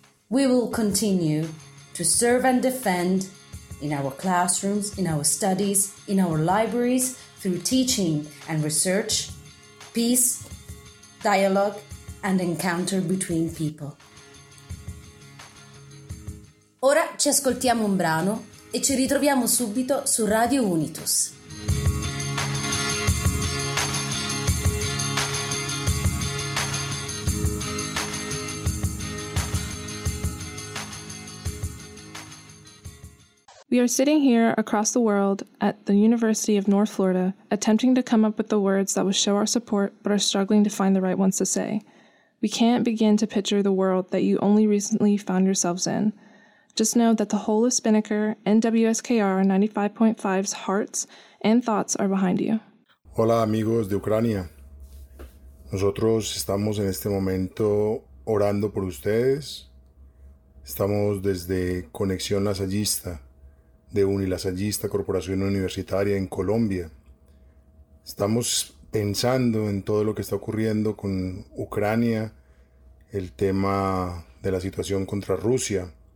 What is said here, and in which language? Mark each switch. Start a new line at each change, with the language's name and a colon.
English: We will continue to serve and defend in our classrooms, in our studies, in our libraries, through teaching and research, peace, dialogue, and encounter between people.
Italian: Ora ci ascoltiamo un brano e ci ritroviamo subito su Radio Unitus.
English: We are sitting here across the world at the University of North Florida, attempting to come up with the words that will show our support, but are struggling to find the right ones to say. We can't begin to picture the world that you only recently found yourselves in. Just know that the whole of Spinnaker and WSKR 95.5's hearts and thoughts are behind you.
Spanish: Hola amigos de Ucrania. Nosotros estamos en este momento orando por ustedes. Estamos desde Conexión Lasallista, de Unilasallista Corporación Universitaria en Colombia. Estamos pensando en todo lo que está ocurriendo con Ucrania, el tema de la situación contra Rusia.